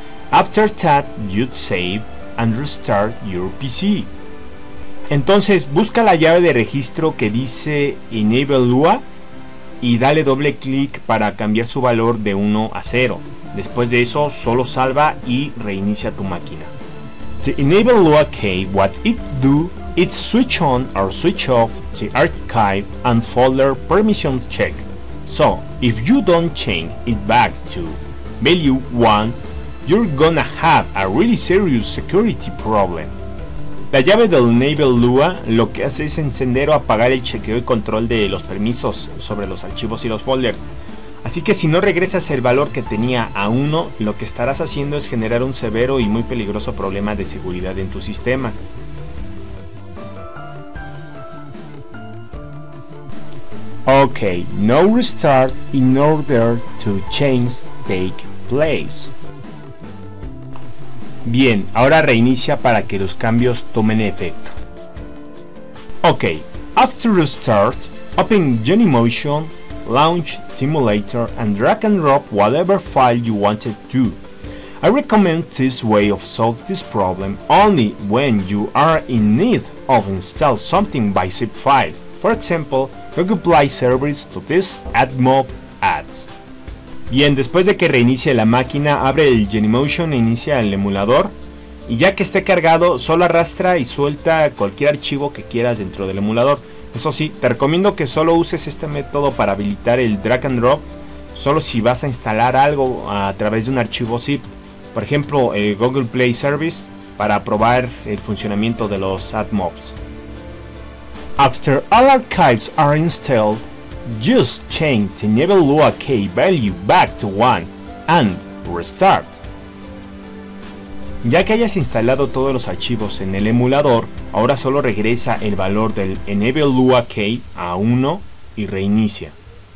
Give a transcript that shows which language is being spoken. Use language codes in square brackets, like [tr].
[en] After that, you'd save and restart your PC. [es] Entonces, busca la llave de registro que dice Enable Lua y dale doble clic para cambiar su valor de 1 a 0. Después de eso, solo salva y reinicia tu máquina. [en] The Enable Lua key, what it do? It's switch on or switch off the archive and folder permissions check. So, if you don't change it back to value 1, you're gonna have a really serious security problem. [es] La llave del Enable Lua lo que hace es encender o apagar el chequeo y control de los permisos sobre los archivos y los folders. Así que si no regresas el valor que tenía a 1, lo que estarás haciendo es generar un severo y muy peligroso problema de seguridad en tu sistema. [en] Okay, no restart in order to change take place. [es] Bien, ahora reinicia para que los cambios tomen efecto. [en] Okay, after restart, open genymotion, launch simulator and drag and drop whatever file you wanted to. I recommend this way of solve this problem only when you are in need of install something by zip file. For example, Google Play Service to this AdMob ads. [es] Bien, después de que reinicie la máquina, abre el genymotion e inicia el emulador. Y ya que esté cargado, solo arrastra y suelta cualquier archivo que quieras dentro del emulador. Eso sí, te recomiendo que solo uses este método para habilitar el drag and drop, solo si vas a instalar algo a través de un archivo zip. Por ejemplo, el Google Play Service para probar el funcionamiento de los AdMobs. [en] After all archives are installed, just change the Enable Lua key value back to 1 and restart. [es] Ya que hayas instalado todos los archivos en el emulador, ahora solo regresa el valor del Enable Lua key a 1 y reinicia.